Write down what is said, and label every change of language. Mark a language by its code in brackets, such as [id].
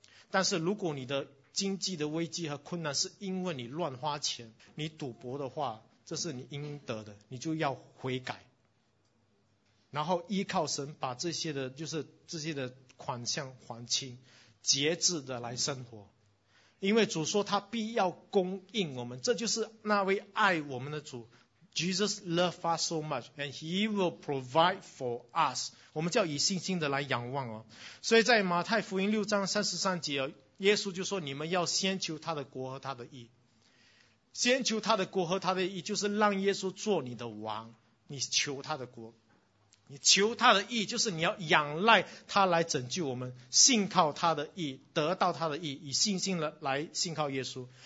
[zh] 但是如果你的经济的危机和困难是因为你乱花钱，你赌博的话，这是你应得的，你就要悔改，然后依靠神把这些的，就是这些的款项还清，节制的来生活。因为主说他必要供应我们，这就是那位爱我们的主。 [en] Jesus loves us so much, and He will provide for us. [zh] 我们就要以信心的来仰望哦。所以在马太福音六章三十三节，耶稣就说：“你们要先求他的国和他的义，先求他的国和他的义，就是让耶稣做你的王。你求他的国，你求他的义，就是你要仰赖他来拯救我们，信靠他的义，得到他的义，以信心来信靠耶稣。